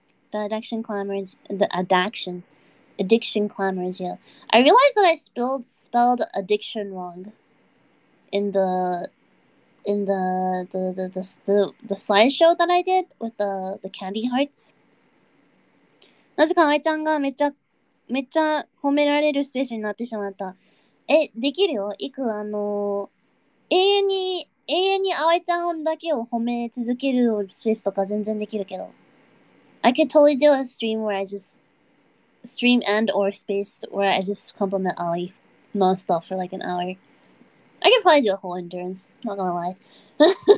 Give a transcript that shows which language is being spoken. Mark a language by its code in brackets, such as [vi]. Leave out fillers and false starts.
[en] The addiction clamors. The addiction, addiction clamors. Yeah, I realized that I spelled addiction wrong in the slideshow that I did with the candy hearts. [ja] なぜかアイちゃんがめっちゃ褒められるスペースになってしまった。え、できるよ。いく、永遠にアイちゃんだけを褒め続けるスペースとか全然できるけど。 [en] I could totally do a stream where I just stream and or space where I just compliment Ali nonstop for like an hour. I can probably do a whole endurance, not gonna lie.